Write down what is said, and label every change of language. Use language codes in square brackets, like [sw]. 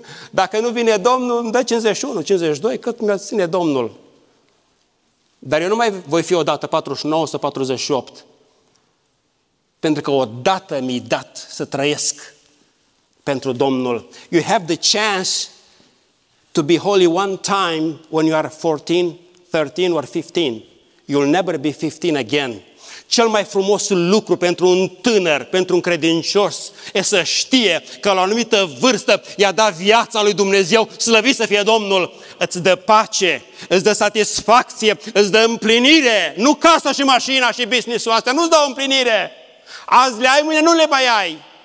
[ro] Dacă nu vine Domnul, îmi dă 51, 52, cât mi-a ține Domnul. Dar eu nu mai voi fi o dată 49 sau 48. Pentru că odată mi-i dat să trăiesc pentru Domnul. [en] You have the chance to be holy one time when you are 14, 13 or 15. You'll never be 15 again. [ro] Cel mai frumos lucru pentru un tânăr, pentru un credincios, e să știe că la o anumită vârstă i-a dat viața lui Dumnezeu, slăvit să fie Domnul. Îți dă pace, îți dă satisfacție, îți dă împlinire. Nu casa și mașina și business-ul astea, nu-ți dau împlinire. Azi le ai, mâine nu le mai ai.